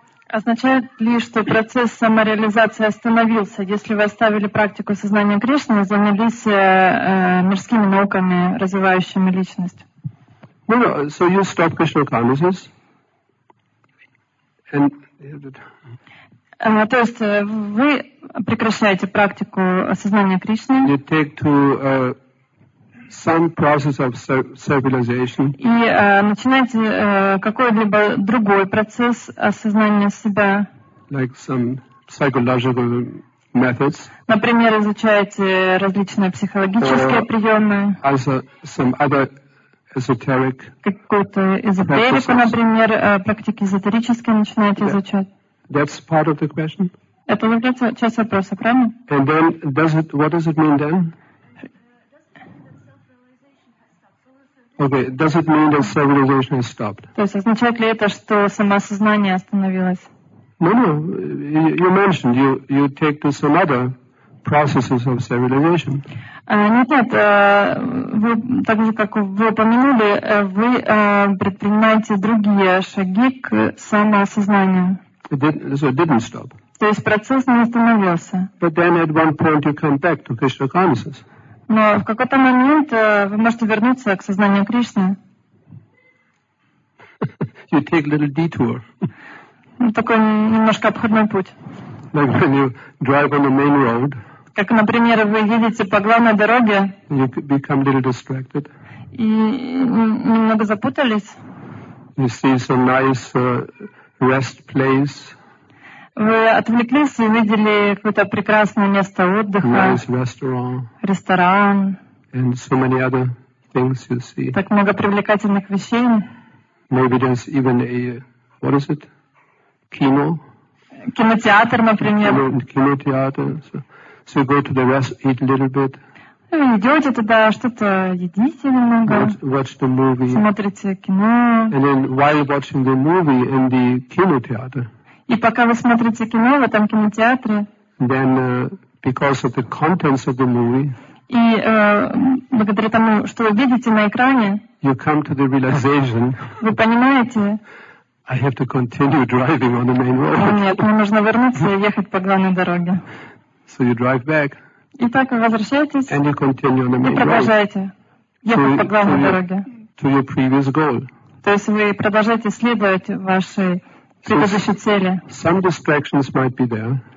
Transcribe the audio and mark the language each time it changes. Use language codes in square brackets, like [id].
[ru] Означает ли, что процесс самореализации остановился, если вы оставили практику сознания Кришны и занялись мирскими науками, развивающими личность? [en] Well, so you stop Krishna consciousness and... [ru] То есть вы прекращаете практику осознания Кришны. [en] You take to, some process of self-realization. [ru] И начинаете какой-либо другой процесс осознания себя. [en] Like some psychological methods. [ru] Например, изучаете различные психологические приемы. [en] Also some other esoteric. [ru] Какую-то эзотерику, [en] practices. [ru] Например, практики эзотерические начинаете изучать. [en] That's part of the question. [ru] Это является часть вопроса, правильно? [en] And then, does it, what does it mean then? Okay, does it mean that civilization has stopped? [ru] То есть означает ли это, что самоосознание остановилось? [en] No, you mentioned you take to some other processes of civilization. [ru] Нет, вы так же, как вы упомянули, вы предпринимаете другие шаги к самоосознанию. [en] So it didn't stop. [ru] То есть процесс не остановился. [en] But then at one point you come back to Krishna consciousness. [ru] Но в какой-то момент вы можете вернуться к сознанию Кришны. [en] You take a little detour. [ru] Такой немножко обходной путь. [en] Like when you drive on the main road. [ru] Как, например, вы едете по главной дороге. [en] You become a little distracted. [ru] И немного запутались. [en] You see some nice rest place. [ru] Вы отвлеклись и видели какое-то прекрасное место отдыха. [en] Nice restaurant. [ru] Ресторан. [en] And so many other things you see. [ru] Так много привлекательных вещей. [en] Maybe there's even a, what is it? Кино? [ru] Кинотеатр, например. Кинотеатр. [en] So you go to the rest, eat a little bit. [ru] Вы идете туда, что-то едите немного. [en] Watch the movie. [ru] Смотрите кино. [en] And then while watching the movie in the кинотеатр. [ru] И пока вы смотрите кино в этом кинотеатре, [en] then, because of the contents of the movie, [ru] и благодаря тому, что вы видите на экране, [en] you come to the realization, [ru] вы понимаете, [en] I have to continue driving on the main road. [ru] Нет, мне нужно вернуться и ехать по главной дороге. [en] So you drive back, [ru] и так вы возвращаетесь [en] and you continue on the main [ru] и продолжаете ехать по главной дороге. [en] To your previous goal. [ru] То есть вы продолжаете следовать вашей [en] So, some distractions might be there.